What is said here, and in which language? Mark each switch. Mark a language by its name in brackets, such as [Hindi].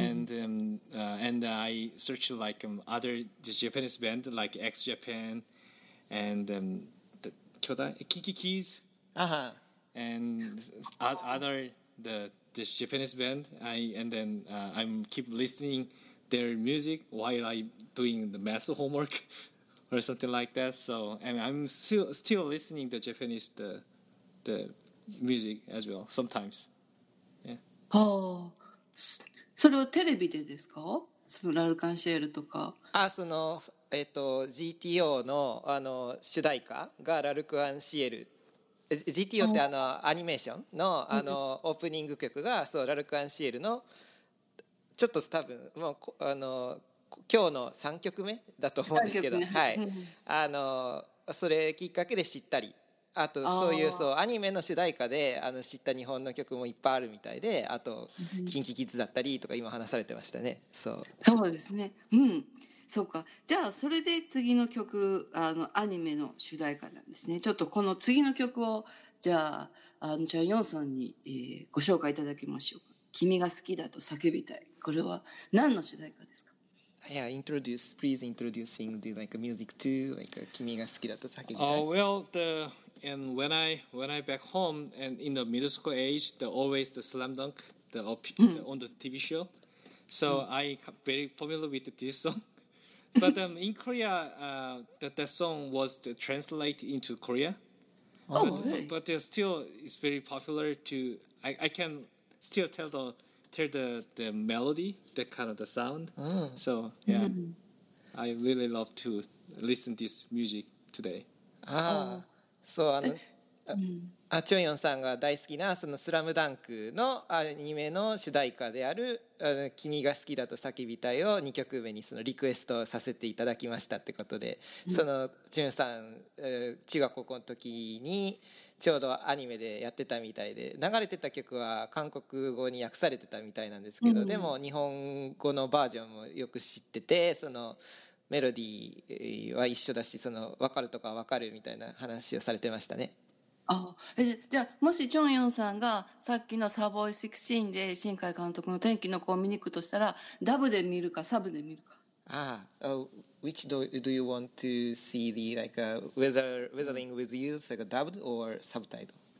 [English] And I searched like other Japanese band like X Japan and the Kiki Keys and other the Japanese band. I'm keep listening their music while I doing the math homework or something like that. So and I'm still listening the Japanese the music as well sometimes. Yeah. Oh. [Japanese] それはテレビでですか？そのラルカンシエルとか。あ、その、GTO の、 あの主題歌がラルクアンシエル。 GTO ってあのアニメーションの、 あのオープニング曲がそうラルクアンシエルのちょっと多分もうあの今日の3曲目だと思うんですけど、はい、あのそれきっかけで知ったり、あとそういうそうアニメの主題歌であの知った日本の曲もいっぱいあるみたいで、あと KinKiKids だったりとか今話されてましたね。そう、そうですね、うん、そうか。じゃあそれで次の曲、あのアニメの主題歌なんですね。ちょっとこの次の曲をじゃあチョンヨンさんに、ご紹介いただきましょうか。君が好きだと叫びたい。これは何の主題歌ですか？ [English] Yeah, introduce, please introducing the like music to like 君が好きだと叫びたい。 Well, the and when I back home and in the middle school age, the always the slam dunk the on the TV show. So I very familiar with this song. But in Korea, that song was translated into Korea. But still, it's very popular. I can still tell the melody, that kind of the sound. Oh. So yeah, I really love to listen this music today. [Japanese] チョンヨンさんが大好きなそのスラムダンクのアニメの主題歌である君が好きだと叫びたいを2曲目にそのリクエストさせていただきましたってことで、そのチョンヨンさん中学校の時にちょうどアニメでやってたみたいで、流れてた曲は韓国語に訳されてたみたいなんですけど、でも日本語のバージョンもよく知ってて、そのメロディーは一緒だし、その分かるとか分かるみたいな話をされてましたね。じゃあもしチョンヨンさんがさっきのサボイ6シーンで新海監督の天気の子を見に行くとしたら、ダブで見るかサブで見るか。 [English] Which do you want to see the like weathering with you, like a dubbed or subtitle?